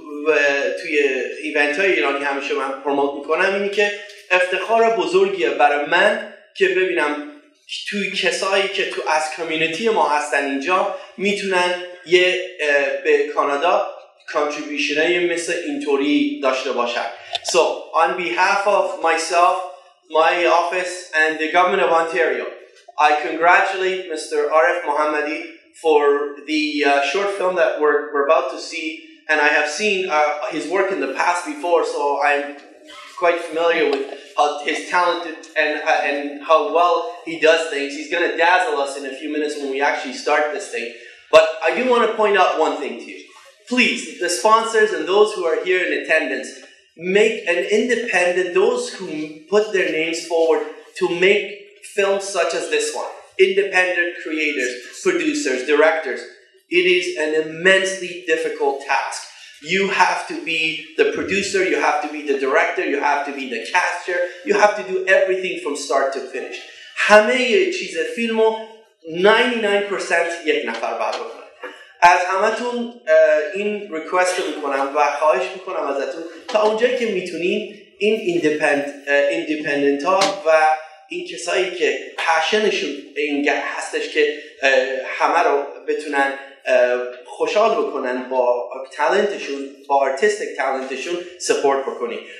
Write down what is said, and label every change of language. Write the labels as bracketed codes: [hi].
[fa] و توی ایونت های ایرانی همیشه من پروموت میکنم اینی که افتخار بزرگیه برای من که ببینم توی کسایی که تو از کامیونیتی ما هستن اینجا میتونن یه به کانادا کانتریبیوشن های مثل اینطوری داشته باشن. [en] So on behalf of myself, my office and the government of Ontario, I congratulate Mr. Arif Mohammadi for the short film that we're about to see. And I have seen his work in the past before, so I'm quite familiar with his talent and how well he does things. He's going to dazzle us in a few minutes when we actually start this thing. But I do want to point out one thing to you. Please, the sponsors and those who are here in attendance, make an independent, those who put their names forward to make films such as this one. Independent creators, producers, directors. It is an immensely difficult task. You have to be the producer, you have to be the director, you have to be the caster, you have to do everything from start to finish. [fa] همه یه چیز فیلمو 99% یک نفر باید بکنه. از همتون این ریکوست رو میکنم و خواهش میکنم ازتون تا اونجایی که میتونین این ایندیپندنت ها و این کسایی که پشنشون این هستش که همه رو بتونن خوشحال بکنن با talentشون با [en] artistic talent [fa] شون support بکنین.